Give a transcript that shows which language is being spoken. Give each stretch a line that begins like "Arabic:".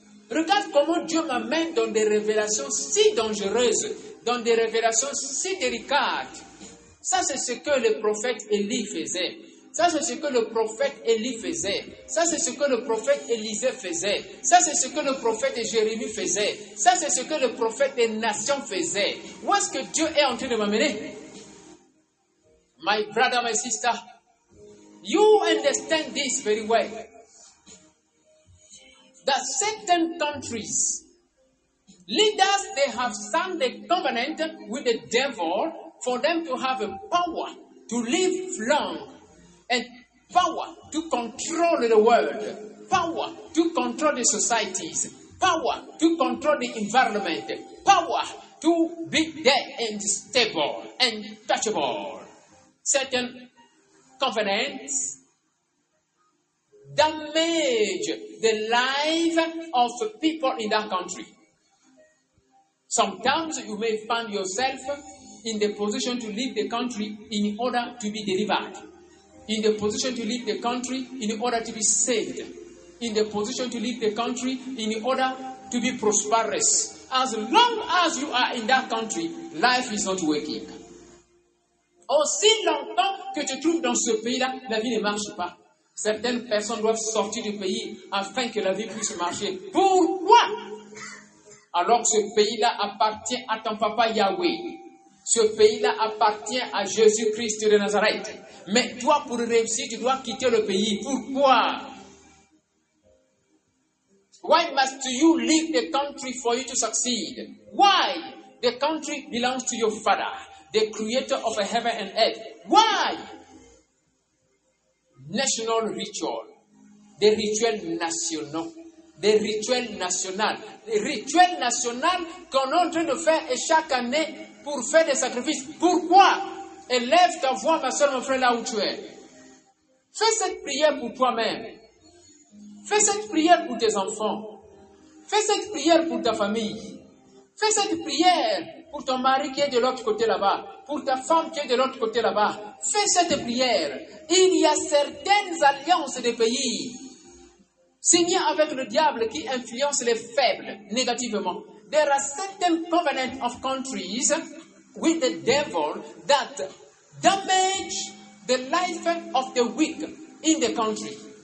French: Regarde comment Dieu m'amène dans des révélations si dangereuses, dans des révélations si délicates. Ça, c'est ce que le prophète Élie faisait. Ça, c'est ce que le prophète Élie faisait. Ça, c'est ce que le prophète Élisée faisait. Ça, c'est ce que le prophète Jérémie faisait. Ça, c'est ce que le prophète des nations faisait. Où est-ce que Dieu est en train de m'amener?
English: My brother, my sister, you understand this very well. That certain countries, leaders, they have signed a covenant with the devil for them to have a power to live long and power to control the world, power to control the societies, power to control the environment, power to be there and stable and touchable. Certain covenants damage the life of people in that country. Sometimes you may find yourself in the position to leave the country in order to be delivered, in the position to leave the country in order to be saved, in the position to leave the country in order to be prosperous. As long as you are in that country, life is not working.
French: Aussi longtemps que tu trouves dans ce pays-là, la vie ne marche pas. Certaines personnes doivent sortir du pays afin que la vie puisse marcher. Pourquoi? Alors ce pays-là appartient à ton papa Yahweh. Ce pays-là appartient à Jésus-Christ de Nazareth. Mais toi, pour réussir, tu dois quitter le pays. Pourquoi?
English: Why must you leave the country for you to succeed? Why? The country belongs to your father, the creator of heaven and earth. Why? National ritual, the
French: rituel national, the rituel national, the rituel national qu'on est en train de faire chaque année pour faire des sacrifices. Pourquoi? Élève ta voix, ma soeur, mon frère, là où tu es. Fais cette prière pour toi-même. Fais cette prière pour tes enfants. Fais cette prière pour ta famille. Fais cette prière pour ton mari qui est de l'autre côté là-bas, pour ta femme qui est de l'autre côté là-bas. Fais cette prière. Il y a certaines alliances des pays signées avec le diable qui influencent les faibles négativement.
English: There are certain covenants of countries with the devil that damage the life of the weak in the country.